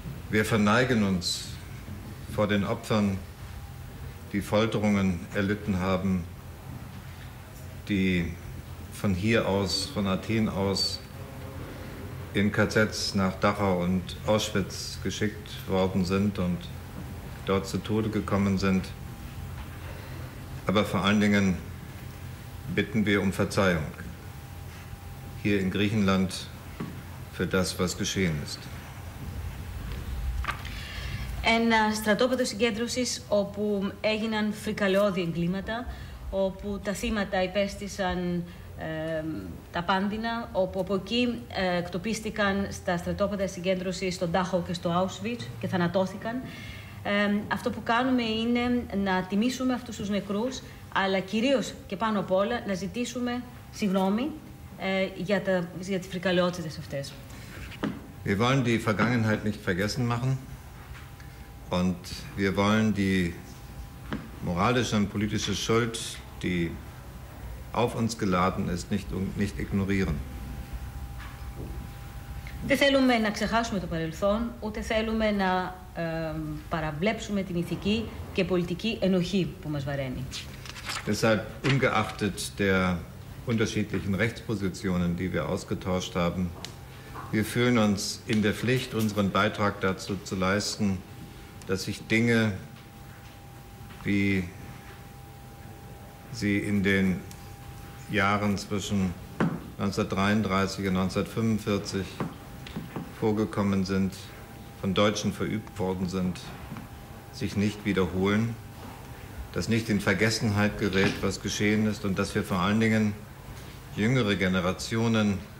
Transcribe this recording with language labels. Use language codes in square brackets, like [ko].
[de] Wir verneigen uns vor den Opfern, die Folterungen erlitten haben, die von hier aus, von Athen aus, in KZs nach Dachau und Auschwitz geschickt worden sind und dort zu Tode gekommen sind. Aber vor allen Dingen bitten wir um Verzeihung. Hier in Griechenland für das, was geschehen ist. [el] Ένα στρατόπεδο συγκέντρωσης όπου έγιναν φρικαλαιώδη εγκλήματα, όπου τα θύματα υπέστησαν τα πάντινα, όπου από εκεί εκτοπίστηκαν στα στρατόπεδα συγκέντρωσης στον Τάχο και στο Auschwitz και θανατώθηκαν. Αυτό που κάνουμε είναι να τιμήσουμε αυτούς τους νεκρούς, αλλά κυρίως και πάνω απ' όλα να ζητήσουμε συγγνώμη για τις φρικαλαιότητες αυτές. [de] Wir wollen die Vergangenheit nicht vergessen machen und wir wollen die moralische und politische Schuld, die auf uns geladen ist, nicht ignorieren. [el] Δεν θέλουμε να ξεχάσουμε το παρελθόν, ούτε θέλουμε να παραβλέψουμε την ηθική και πολιτική ενοχή που μας βαραίνει. [de] Deshalb, ungeachtet der unterschiedlichen Rechtspositionen, die wir ausgetauscht haben. Wir fühlen uns in der Pflicht, unseren Beitrag dazu zu leisten, dass sich Dinge, wie sie in den Jahren zwischen 1933 und 1945 vorgekommen sind, von Deutschen verübt worden sind, sich nicht wiederholen, dass nicht in Vergessenheit gerät, was geschehen ist und dass wir vor allen Dingen jüngere Generationen